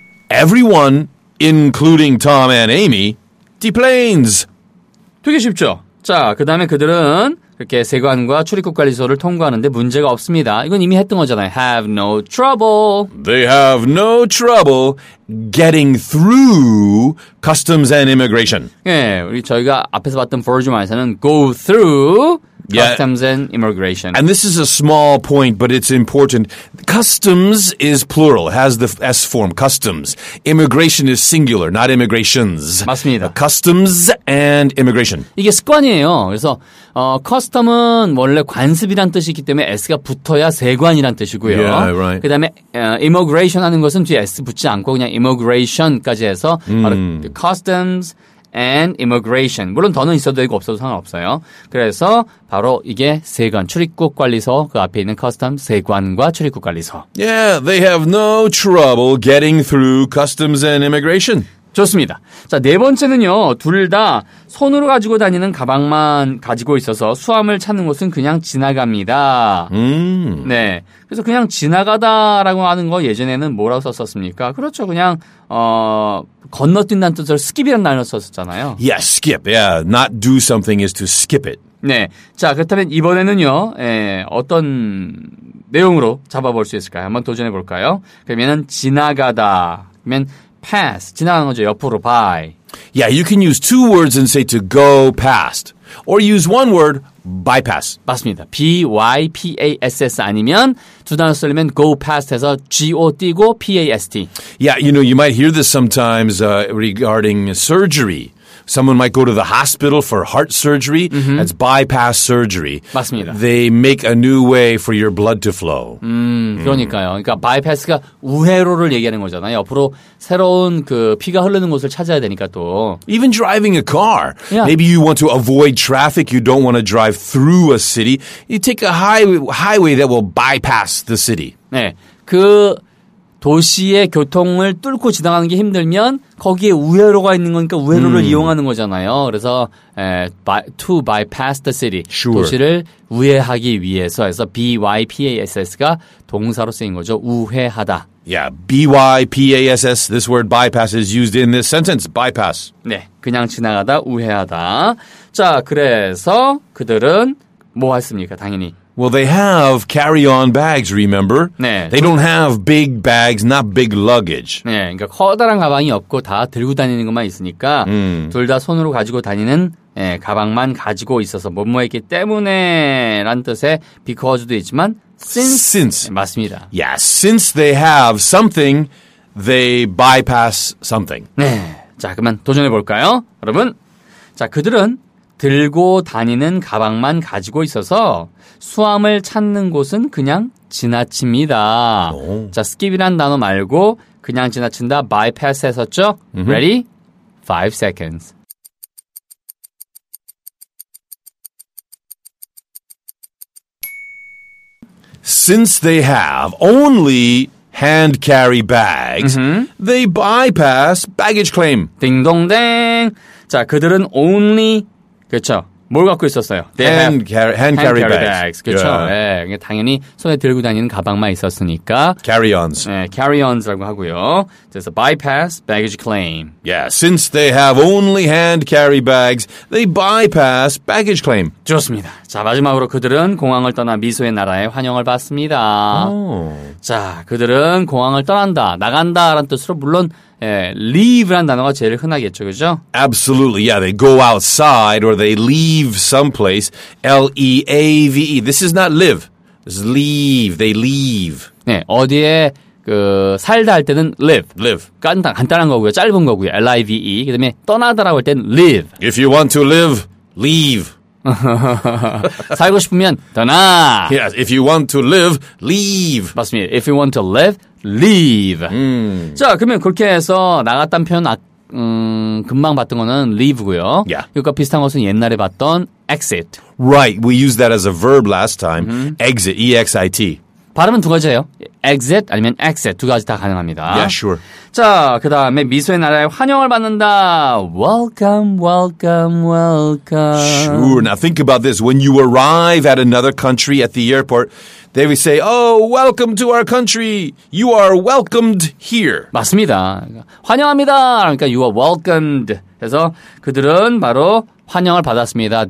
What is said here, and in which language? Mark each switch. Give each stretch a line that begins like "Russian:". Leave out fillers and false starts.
English: Everyone, including Tom and Amy, deplanes.
Korean: 되게 쉽죠? 자, 그 다음에 그들은 이렇게 세관과 출입국 관리소를 통과하는데 문제가 없습니다. 이건 이미 했던 거잖아요.
English: Have no trouble. They have no trouble getting through customs and immigration.
Korean: 예, 우리 저희가 앞에서 봤던 버전에서는
English: go through customs and immigration. And this is a small point, but it's important. Customs is plural, has the S form, customs. Immigration is singular, not immigrations.
Korean: 맞습니다.
English: Customs and immigration.
Korean: 이게 습관이에요. 그래서 custom은 원래 관습이란 뜻이기 때문에 S가 붙어야 세관이란 뜻이고요.
English: Yeah, right.
Korean: 그다음에 immigration 하는 것은 뒤에 S 붙지 않고 그냥 immigration까지 해서 바로
English: customs and immigration.
Korean: 물론 더는 있어도 되고 없어도 상관없어요. 그래서 바로 이게 세관, 출입국 관리소 그 앞에 있는 커스텀 세관과 출입국 관리소.
English: Yeah, they have no trouble getting through customs and immigration.
Korean: 좋습니다. 자, 네 번째는요. 둘 다 손으로 가지고 다니는 가방만 가지고 있어서 수함을 찾는 곳은 그냥 지나갑니다. 네. 그래서 그냥 지나가다라고 하는 거 예전에는 뭐라고 썼었습니까? 그렇죠. 그냥 건너뛴다는 뜻으로 skip이라는 단어 썼었잖아요.
English: Yeah, skip. Yeah, not do something is to skip it.
Korean: 네. 자, 그렇다면 이번에는요. 어떤 내용으로 잡아볼 수 있을까요? 한번 도전해 볼까요? 그러면은 지나가다. 그러면 pass, 지나가는 거죠. 옆으로 by.
English: Yeah, you can use two words and say to go past. Or use one word, bypass.
Korean: 맞습니다. B-Y-P-A-S-S 아니면 두 단어 쓰려면
English: go past
Korean: 해서 G-O-D고 P-A-S-T.
English: Yeah, you know, you might hear this sometimes regarding surgery. Someone might go to the hospital for heart surgery. Mm-hmm. That's bypass surgery.
Korean: 맞습니다.
English: They make a new way for your blood to flow.
Korean: 그러니까요. 그러니까 bypass가 우회로를 얘기하는 거잖아요. 옆으로 새로운 그 피가 흐르는 곳을 찾아야 되니까 또.
English: Even driving a car. Yeah. Maybe you want to avoid traffic. You don't want to drive through a city. You take a highway that will bypass the city.
Korean: 네. 그 도시의 교통을 뚫고 지나가는 게 힘들면 거기에 우회로가 있는 거니까 우회로를 이용하는 거잖아요. 그래서
English: to bypass the city. Sure.
Korean: 도시를 우회하기 위해서 해서 bypass가 동사로 쓰인 거죠. 우회하다.
English: Yeah, bypass. This word bypass is used in this sentence. Bypass.
Korean: 네, 그냥 지나가다, 우회하다. 자, 그래서 그들은 뭐 했습니까? 당연히.
English: Well, they have carry-on bags, remember?
Korean: 네.
English: They don't have big bags, not big luggage.
Korean: 네, 그러니까 커다란 가방이 없고 다 들고 다니는 것만 있으니까 둘 다 손으로 가지고 다니는 예, 가방만 가지고 있어서 뭐뭐했기 때문에 라는 뜻의 because도 있지만 since. 네, 맞습니다.
English: Yeah, since they have something, they bypass something.
Korean: 네, 자, 그러면 도전해볼까요, 여러분? 자, 그들은 들고 다니는 가방만 가지고 있어서 수함을 찾는 곳은 그냥 지나칩니다. 오. 자, skip이란 단어 말고 그냥 지나친다, bypass 했었죠? Mm-hmm.
English: Ready? 5 seconds. Since they have only hand carry bags, mm-hmm. they bypass baggage claim.
Korean: 딩동댕. 자, 그들은 only 그렇죠. 뭘 갖고 있었어요?
English: Hand carry bags.
Korean: 그렇죠.
English: Yeah.
Korean: 네, 당연히 손에 들고 다니는 가방만 있었으니까.
English: Carry-ons.
Korean: 네, carry-ons라고 하고요. 그래서
English: bypass baggage claim. Yeah, since they have only hand carry bags, they bypass baggage claim.
Korean: 좋습니다. 자, 마지막으로 그들은 공항을 떠나 미소의 나라에 환영을 받습니다. Oh. 자, 그들은 공항을 떠난다, 나간다라는 뜻으로 물론 예, leave란 단어가 제일 흔하겠죠, 그죠?
English: Absolutely, yeah. They go outside or they leave someplace. L-E-A-V-E. This is not live. This is leave. They leave.
Korean: 네, 어디에 그 살다 할 때는 live.
English: Live.
Korean: 간단한 거고요. 짧은 거고요. L-I-V-E. 그 다음에 떠나다라고 할 때는 live.
English: If you want to live, leave.
Korean: 살고 싶으면 떠나.
English: Yes, if you want to live, leave.
Korean: 맞습니다.
English: If you want to live, leave.
Korean: 자, 그러면 그렇게 해서 나갔다는 표현 금방 봤던 거는 leave고요.
English: Yeah.
Korean: 이거 비슷한 것은 옛날에 봤던 exit.
English: Right. We used that as a verb last time. Mm-hmm. Exit. E-X-I-T.
Korean: 발음은 두 가지예요.
English: Exit
Korean: 아니면
English: exit.
Korean: 두 가지 다 가능합니다.
English: Yeah, sure.
Korean: 자, 그 다음에 미소의 나라에 환영을 받는다.
English: Welcome, welcome, welcome. Sure. Now think about this. When you arrive at another country at the airport, they would say, oh, welcome to our country. You are welcomed here.
Korean: 맞습니다. 환영합니다. 그러니까
English: you are welcomed.
Korean: 그래서 그들은 바로 환영을 받았습니다.